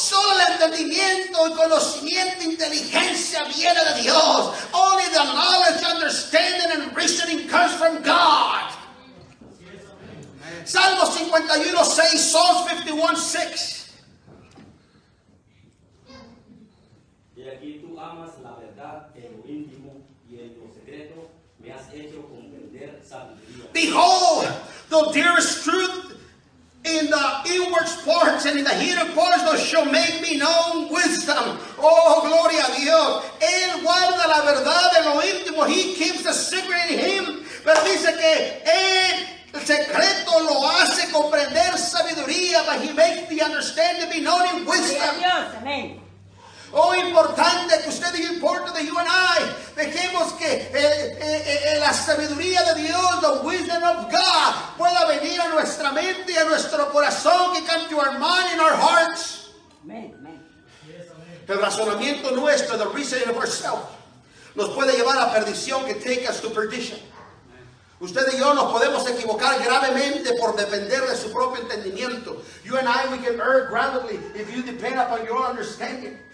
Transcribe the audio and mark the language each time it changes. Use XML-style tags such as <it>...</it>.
<es>Solo el entendimiento, el conocimiento, inteligencia viene de Dios.</es> <en>Only the knowledge, understanding and reasoning comes from God.</en> <es>Salmo 51:6, Psalms 51:6. Y aquí tú amas la verdad en lo íntimo y en lo secreto me has hecho comprender sabiduría.</es> <en>Behold, the dearest truth in the inward parts and in the hidden parts thou shalt make me known wisdom.</en> <es>Oh, gloria a Dios. Él guarda la verdad en lo íntimo.</es> <en>He keeps the secret in him.</en> <es>Pero dice que él el secreto lo hace comprender sabiduría.</es> <en>But he makes the understanding be known in wisdom.</en> <es>Dios, amén. Oh, importante que usted diga, importante que</es> <en>you and I</en> <es>dejemos que la sabiduría de Dios,</es> <en>the wisdom of God,</en> <es>pueda venir a nuestra mente y a nuestro corazón, que</es> <en>come to our mind and our hearts.</en> <es>Amen, amen. El razonamiento nuestro,</es> <en>the reasoning of ourselves,</en> <es>nos puede llevar a perdición, que</es> <en>take us to perdition.</en> <es>Usted y yo nos podemos equivocar gravemente por depender de su propio entendimiento.</es> <en>You and I, we can err gravely if you depend upon your understanding.</en>